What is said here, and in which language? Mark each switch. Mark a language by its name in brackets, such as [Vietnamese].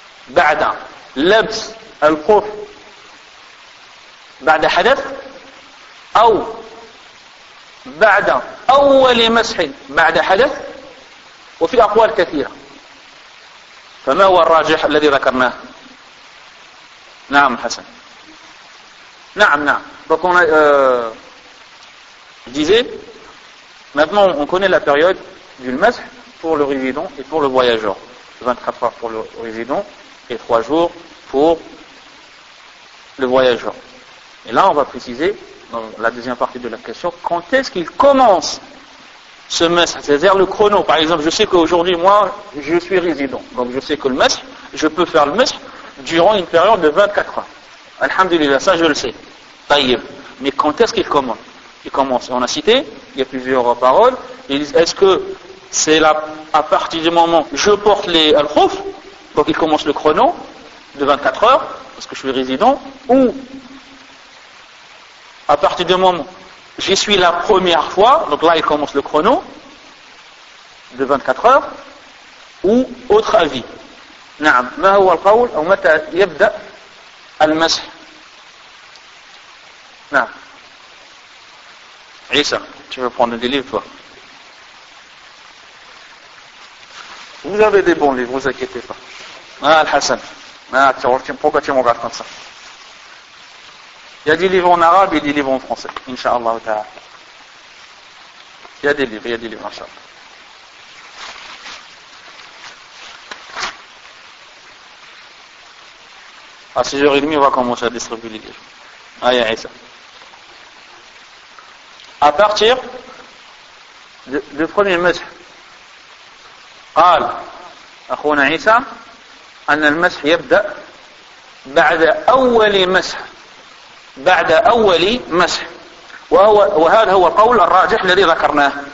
[Arabic] بعد لبس الخوف، بعد حدث، أو بعد أول مسح بعد حدث؟ وفي أقوال كثيرة، فما هو الراجح الذي ذكرناه؟ نعم حسن، نعم [French] donc on disait maintenant on connaît la période du mash pour le résident et pour le voyageur, 24 heures pour le résident et 3 jours pour le voyageur. Et là on va préciser dans la deuxième partie de la question quand est-ce qu'il commence ce mash, c'est-à-dire le chrono. Par exemple, je sais qu'aujourd'hui moi je suis résident, donc je sais que le mash, je peux faire le mash durant une période de 24 heures. Alhamdulillah, ça je le sais. [Arabic] طيب. [French] Mais quand est-ce qu'il commence? Il commence. On a cité, il y a plusieurs paroles. Ils disent, est-ce que c'est là, à partir du moment où je porte les al-khouf, donc il commence le chrono de 24 heures, parce que je suis résident, ou à partir du moment où j'y suis la première fois, donc là il commence le chrono de 24 heures, ou autre avis? [Arabic] نعم. ما هو القول أو متى يبدأ المسح؟ نعم. [French] عيسى، tu veux prendre des livres, toi? Vous avez des bons livres, vous inquiétez pas. Ah, Al-Hassan. Ah, pourquoi tu me regardes comme ça? Il y a des livres en arabe et des livres en français. Inch'Allah. Il y a des livres, Inch'Allah. À 6h30, on va commencer à distribuer les livres. Aïe, aïe, ça. À partir du premier masch, [Arabic] قال أخونا عيسى أن المسح يبدأ بعد أول مسح، بعد أول مسح، وهذا هو القول الراجح الذي ذكرناه.